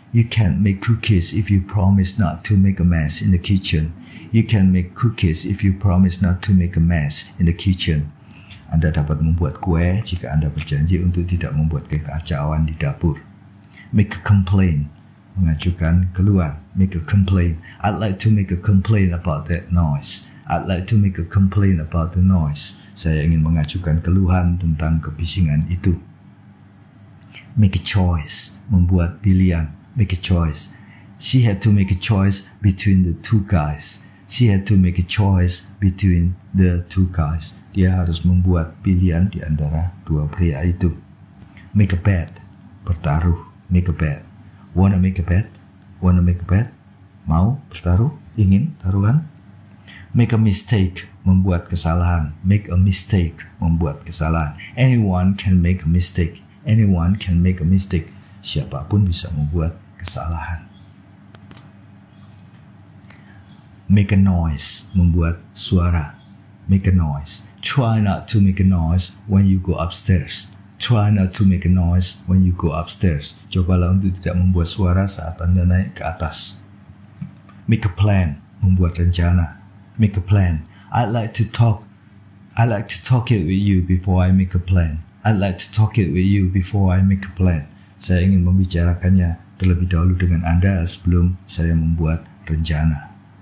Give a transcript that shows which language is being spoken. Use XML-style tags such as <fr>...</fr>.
<en>You can't make cookies if you promise not to make a mess in the kitchen. You can make cookies if you promise not to make a mess in the kitchen.</en> <id>Anda dapat membuat kue jika Anda berjanji untuk tidak membuat kekacauan di dapur.</id> <en>Make a complaint.</en> <id>Mengajukan keluhan.</id> <en>Make a complaint. I'd like to make a complaint about that noise. I'd like to make a complaint about the noise.</en> <id>Saya ingin mengajukan keluhan tentang kebisingan itu.</id> <en>Make a choice.</en> <id>Membuat pilihan.</id> <en>Make a choice. She had to make a choice between the two guys. She had to make a choice between the two guys.</en> <id>Dia harus membuat pilihan di antara dua pria itu.</id> <en>Make a bet.</en> <id>Bertaruh.</id> <en>Make a bet. Wanna make a bet? Wanna make a bet?</en> <id>Mau bertaruh? Ingin taruhan?</id> <en>Make a mistake.</en> <id>Membuat kesalahan.</id> <en>Make a mistake.</en> <id>Membuat kesalahan.</id> <en>Anyone can make a mistake. Anyone can make a mistake.</en> <id>Siapapun bisa membuat kesalahan.</id> <en>Make a noise,</en> <id>membuat suara.</id> <en>Make a noise. Try not to make a noise when you go upstairs. Try not to make a noise when you go upstairs.</en> <id>Cobalah untuk tidak membuat suara saat Anda naik ke atas.</id> <en>Make a plan,</en> <id>membuat rencana.</id> <en>Make a plan. I'd like to talk it with you before I make a plan.</en> <id>Saya ingin membicarakannya terlebih dahulu dengan Anda sebelum saya membuat rencana.</id>